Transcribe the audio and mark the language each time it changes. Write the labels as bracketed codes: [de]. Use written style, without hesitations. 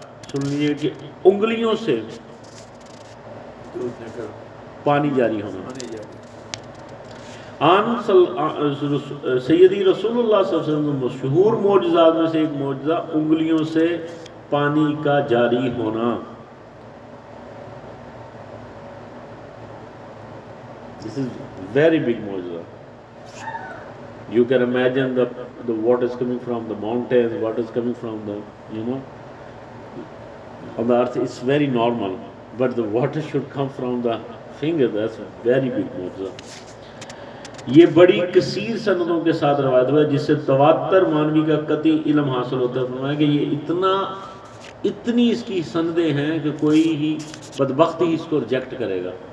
[ur] سن لیجیے کہ انگلیوں سے پانی جاری ہونا۔ آن سیدی رسول اللہ صلی اللہ علیہ وسلم مشہور معجزات میں سے ایک معجزہ انگلیوں سے پانی کا جاری ہونا۔ [en] this is very big [ur] معجزہ، [en] You can imagine the what is coming from the mountains, what is coming from the, you know, on the earth, it's very normal. But the water should come from the finger, that's a very big mojza. [ur] یہ بڑی کثیر سندوں کے ساتھ روایت ہوا ہے جس سے تواتر مانوی کا قطعی علم حاصل ہوتا ہے. فرمایا کہ یہ اتنی اس کی سندیں ہیں کہ کوئی ہی بدبخت ہی اس کو ریجیکٹ کرے گا.